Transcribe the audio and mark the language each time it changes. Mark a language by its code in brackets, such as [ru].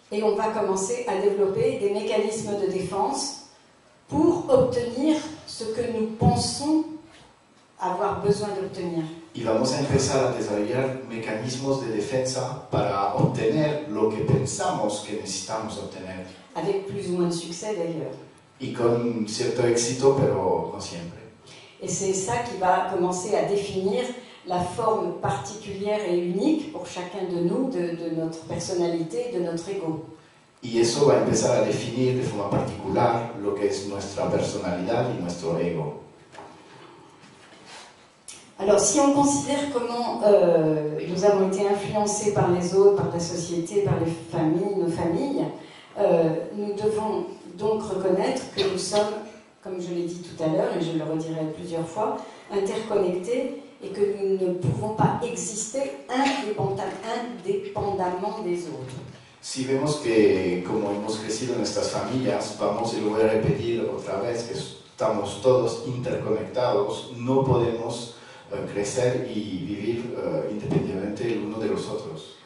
[fr] Et on va commencer à développer des mécanismes de défense pour obtenir ce que nous pensons avoir besoin d'obtenir. [es] Y vamos a empezar a desarrollar mecanismos de defensa para obtener lo que pensamos que necesitamos obtener. [fr] Avec plus ou moins de succès d'ailleurs. [es] Y con cierto éxito, pero no siempre. [fr] Et c'est ça qui va commencer à définir la forme particulière et unique pour chacun de nous, de notre personnalité, de notre ego. [es] Y eso va a empezar a definir de forma particular lo que es nuestra personalidad y nuestro ego. [fr] Alors, si on considère comment nous avons été influencés par les autres, par la société, par les familles, nos familles, nous devons donc reconnaître que nous sommes, comme je l'ai dit tout à l'heure, et je le redirai plusieurs fois, interconnectés et que nous ne pouvons pas exister indépendamment des autres. [es] Si vemos que, como hemos crecido en estas familias, vamos y lo voy a repetir otra vez, que estamos todos interconectados, no podemos crecer y vivir independientemente el uno de los otros.